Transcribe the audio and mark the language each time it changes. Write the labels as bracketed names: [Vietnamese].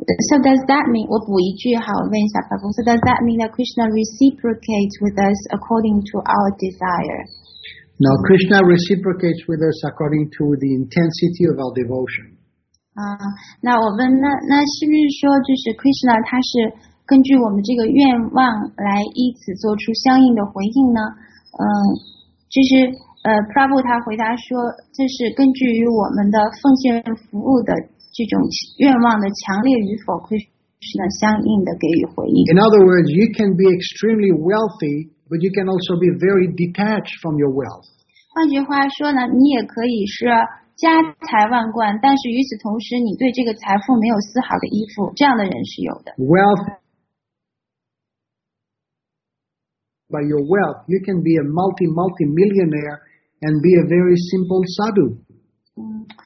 [English] So does that mean, [Chinese] 我补一句哈，我问一下 [English] Prabhu, so does that mean that Krishna reciprocates with us according to our desire? No, Krishna reciprocates with us according to the intensity of our devotion. [Chinese] 那我问那是不是说就是 Krishna 他是根据我们这个愿望来依此做出相应的回应呢？就是Prabhu 他回答说，这是根据于我们的奉献服务的这种愿望的强烈与否，Krishna相应的给予回应。 [English] In other words, you can be extremely wealthy, but you can also be very detached from your wealth. [Chinese] 换句话说呢，你也可以是家财万贯，但是与此同时，你对这个财富没有丝毫的依附，这样的人是有的。 [English] Wealth, by your wealth, you can be a multi-millionaire and be a very simple sadhu.